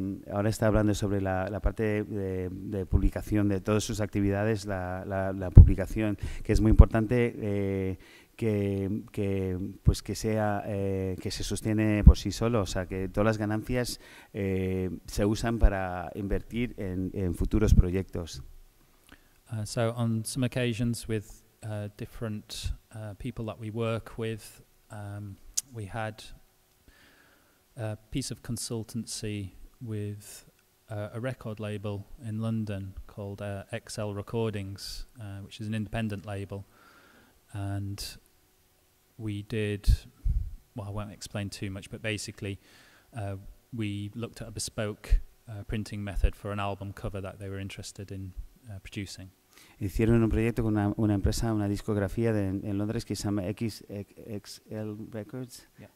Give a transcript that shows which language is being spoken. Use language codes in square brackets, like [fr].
[es] Ahora está hablando sobre la parte de publicación, de todas sus actividades, la publicación, que es muy importante que se sostiene por sí solo, o sea, que todas las ganancias se usan para invertir en futuros proyectos. [en] So on some occasions with different people that we work with, we had a piece of consultancy with a record label in London called XL Recordings, which is an independent label, and we did well, I won't explain too much, but basically we looked at a bespoke printing method for an album cover that they were interested in producing. [es] Hicieron un proyecto con una empresa, una discografía en Londres que se llama XL Records, yeah.